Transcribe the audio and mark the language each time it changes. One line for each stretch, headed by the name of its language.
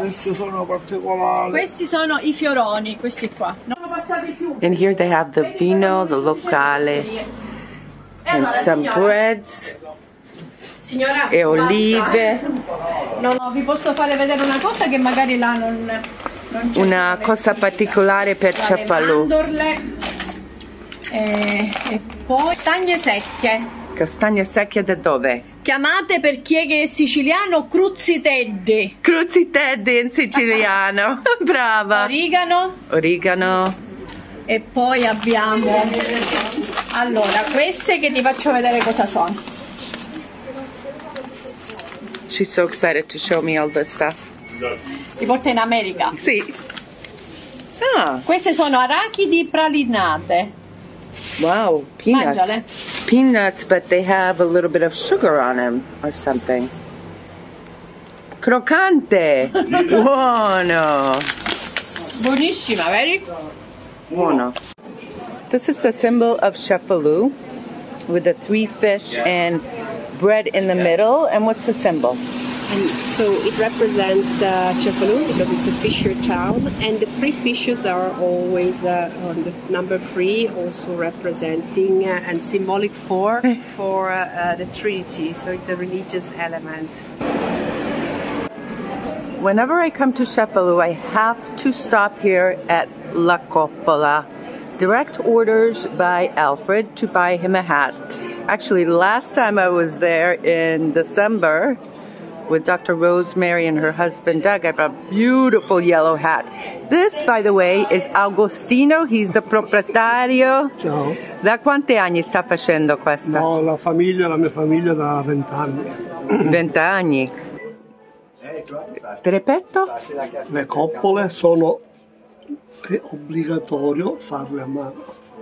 Italian: Questi sono particolari. Questi sono i fioroni, questi qua. Non sono passati più.
English: And here they have the vino, the locale, and
Italian: allora, signora.
English: Breads.
Italian: Signora, e olive. No, no, vi posso fare vedere una cosa che magari là non... Una cosa particolare per Cefalù. Mandorle e poi castagne secche. Castagne secche da dove? Chiamate per chi è che è siciliano cruziteddi. Cruziteddi in siciliano. Brava. Origano. Origano. E poi abbiamo... Allora, queste che ti faccio vedere cosa sono.
English: She's so excited to show me all this stuff.
Italian: Ti porta in America? Sì. Ah. Queste sono arachidi pralinate.
English: Wow, peanuts.
Italian: Mangiale.
English: Peanuts, but they have a little bit of sugar on them or something.
Italian: Croccante! Buono! Buonissima, vedi? Buono.
English: This is the symbol of Cefalù with the three fish and bread in the middle. And what's the symbol? And so it represents Cefalù because it's a fisher town, and the three fishes are always on the number three, also representing and symbolic for the Trinity. So it's a religious element. Whenever I come to Cefalù, I have to stop here at La Coppola. Direct orders by Alfred to buy him a hat. Actually, last time I was there in December, with Dr. Rosemary and her husband, Doug, I have a beautiful yellow hat. This, by the way, is Agostino. He's the proprietario.
Italian: Ciao. Da quanti anni sta facendo questa? No, la famiglia, la mia famiglia da 20 anni. 20 anni. Ti ripeto? Le coppole sono obbligatorio farle a mano.